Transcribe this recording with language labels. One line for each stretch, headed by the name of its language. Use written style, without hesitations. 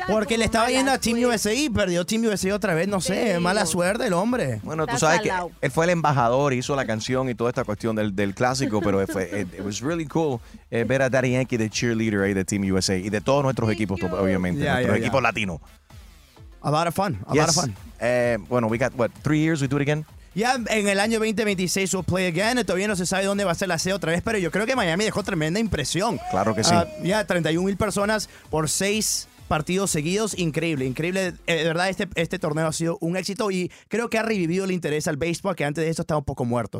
Spanish: porque le estaba yendo a Team USA y perdió Team USA otra vez, no sé, mala suerte el hombre. Bueno, tú sabes que él fue el embajador, hizo la canción y toda esta cuestión del clásico, pero fue
English: it was really cool
Spanish: ver a Daddy Yankee de cheerleader ahí de Team USA y de todos nuestros equipos, obviamente, nuestros equipos latinos.
English: A lot of fun, lot of fun. Bueno, we got, what, 3 years, we do it again? Yeah,
Spanish: en el año
English: 2026 we'll play again.
Spanish: Todavía no se sabe dónde va a ser la sede otra vez, pero yo creo que Miami dejó tremenda impresión. Claro que sí. Ya, 31,000 personas por 6 partidos seguidos. Increíble, increíble. De verdad, este torneo ha sido un éxito y creo que ha revivido el interés al béisbol, que antes de esto estaba un poco muerto.